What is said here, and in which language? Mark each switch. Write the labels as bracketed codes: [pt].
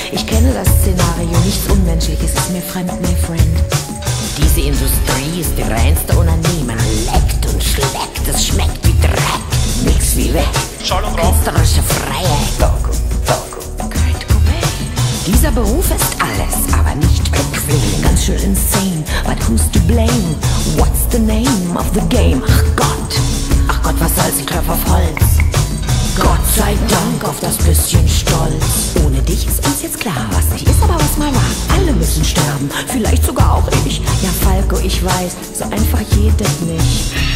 [de] Ich kenne das Szenario, nichts Unmenschliches ist mir fremd, [en] my friend. [de] Diese Industrie ist die reinste Unternehmen. Man leckt und schleckt, es schmeckt wie Dreck. Nix wie weg. Schall und Rauch. Künstlerische Freiheit. Danke, danke. Kurt Cobain. Dieser Beruf ist alles, aber nicht bequem. Ganz schön [en] insane, but who's to blame? What's the name of the game? [de] Ach Gott, was soll's, ich klopf auf Holz. Gott sei Dank auf das bisschen Stolz. Ohne dich ist uns jetzt klar, was nicht ist, aber was mal war. Alle müssen sterben, vielleicht sogar auch ich. Ja, Falco, ich weiß, so einfach geht es nicht.